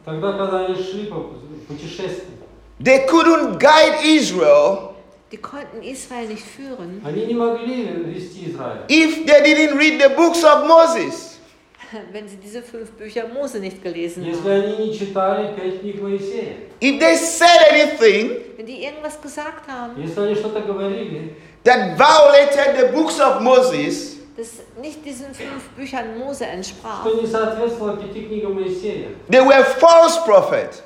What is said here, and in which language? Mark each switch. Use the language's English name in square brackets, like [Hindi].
[Russian] Тогда, когда они шли по путешествию. [English] They couldn't guide Israel. [German] Die konnten Israel nicht führen. [Russian] Они не могли вести Израиль. [English] If they didn't read the books of Moses. [German] Wenn sie diese fünf Bücher Mose nicht gelesen [Russian] Если [German] haben. [Russian] Если они не читали пять книг Моисея. [English] If they said anything. [German] Wenn die irgendwas gesagt haben. [Russian] Если они что-то говорили. [English] That violated the books of Moses. [German] Das nicht diesen fünf Büchern Mose entsprach. [English] They were false prophets.